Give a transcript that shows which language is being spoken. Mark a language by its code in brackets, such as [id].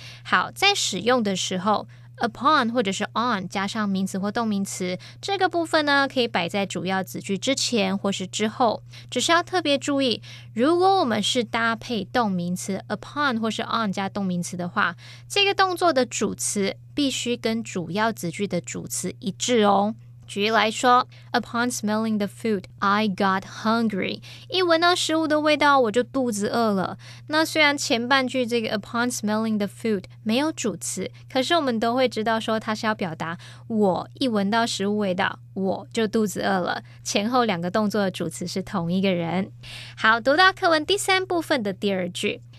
[zh] 好，在使用的时候upon 或者是 on 加上名词或动名词，这个部分呢可以摆在主要子句之前或是之后，只是要特别注意，如果我们是搭配动名词 upon 或是 on 加动名词的话，这个动作的主词必须跟主要子句的主词一致哦，举例来说 [en] ,upon smelling the food, I got hungry. [zh] 一闻到食物的味道我就肚子饿了。那虽然前半句这个 [en] upon smelling the food [zh] 没有主词，可是我们都会知道说它是要表达我一闻到食物味道我就肚子饿了。前后两个动作的主词是同一个人。好，读到课文第三部分的第二句。